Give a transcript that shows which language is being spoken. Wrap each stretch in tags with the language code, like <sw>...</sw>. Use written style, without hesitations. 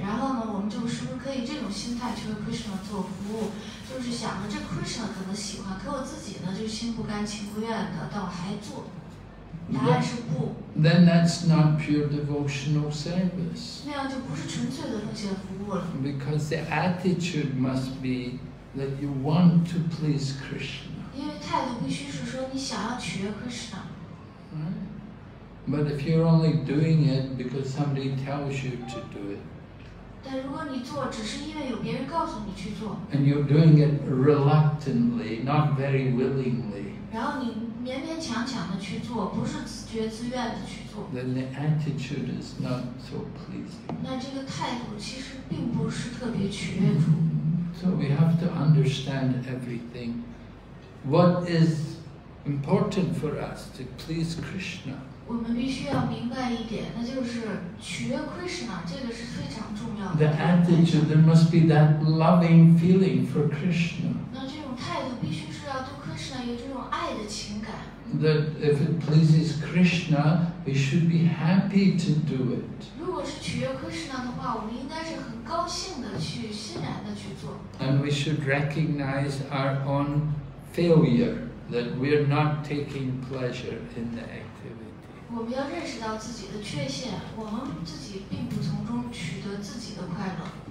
<zh>然后呢，我们就是不是可以这种心态去为 Krishna 做服务？就是想着这 Krishna 可能喜欢，可我自己呢就心不甘情不愿的，倒还做。答案是不。</zh> <en>Then that's not pure devotional service.</en> <zh>那样就不是纯粹的奉献服务了。</zh> <en>Because the attitude must be that you want to please Krishna.</en> <zh>因为态度必须是说你想要取悦 Krishna。</zh> <en>But if you're only doing it because somebody tells you to do it,</en> <zh>但如果你做只是因为有别人告诉你去做</zh> <en>and you're doing it reluctantly, not very willingly,</en> <zh>然后你勉勉强强的去做，不是自觉自愿的去做</zh> <en>then the attitude is not so pleasing.</en> <zh>那这个态度其实并不是特别取悦主</zh> <en>So we have to understand everything. What is important for us to please Krishna?</en> <zh>我们必须要明白一点，那就是取悦 Krishna， 这个是非常重要的。</zh> <en>The attitude, there must be that loving feeling for Krishna.</en> <zh>那这种态度必须是要对 Krishna 有这种爱的情感。</zh> <en>That if it pleases Krishna, we should be happy to do it.</en> <zh>如果是取悦 Krishna 的话，我们应该是很高兴的去欣然的去做。</zh> <en>And we should recognize our own failure, that we're not taking pleasure in the activity.</en> <zh>我们要认识到自己的缺陷，我们自己并不从中取得自己的快乐。</zh>